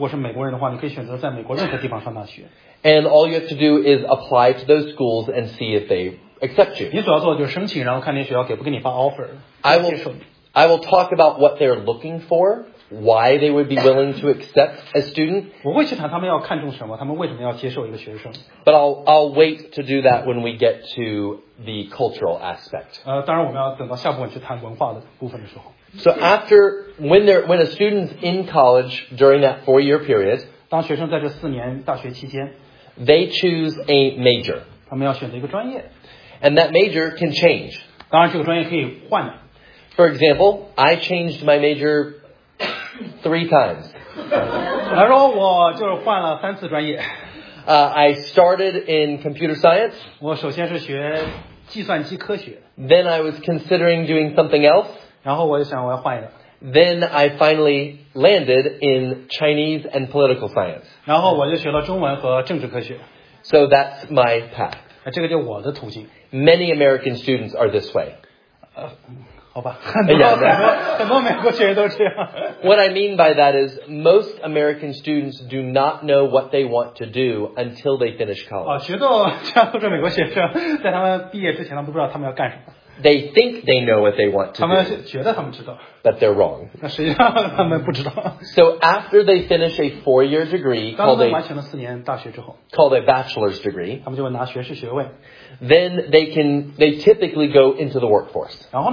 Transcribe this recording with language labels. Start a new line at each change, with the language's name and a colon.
Chinese: 当然在美国和其他地方不一样的是,如果是美国人的话,你可以选择在美国任何地方上大学。
English: And all you have to do is apply to those schools and see if they accept you.
Chinese: 你所要做的就是申请,然后看你学校给不给你发offer。
English: I will talk about what they're looking for, why they would be willing to accept a student.
Chinese: 我会去谈他们要看重什么,他们为什么要接受一个学生。
English: But I'll wait to do that when we get to the cultural aspect.
Chinese: 当然我们要等到下部分去谈文化的部分的时候。
English: So after, when a student's in college during that 4 year period,
Chinese: 当学生在这4年大学期间,
English: they choose a major.
Chinese: 他们要选择一个专业。
English: And that major can change.
Chinese: 当然这个专业可以换的。
English: For example, I changed my major 3 times.
Chinese: 然后我就换了3次专业。
English: I started in computer science.
Chinese: 我首先是学计算机科学。
English: Then I was considering doing something else.
Chinese: 然后我就想我要换一个。
English: Then I finally landed in Chinese and political science.
Chinese: 然后我就学了中文和政治科学。
English: So that's my path.
Chinese: 这个就我的途径。
English: Many American students are this way.
Chinese: 好吧，很多美国学生都这样。
English: What I mean by that is most American students do not know what they want to do until they finish college.
Chinese: 学到这样的美国学生，在他们毕业之前，他们不知道他们要干什么。
English: They think they know what they want to do, but they're wrong. So after they finish a four-year degree called a bachelor's degree, then they typically go into the workforce.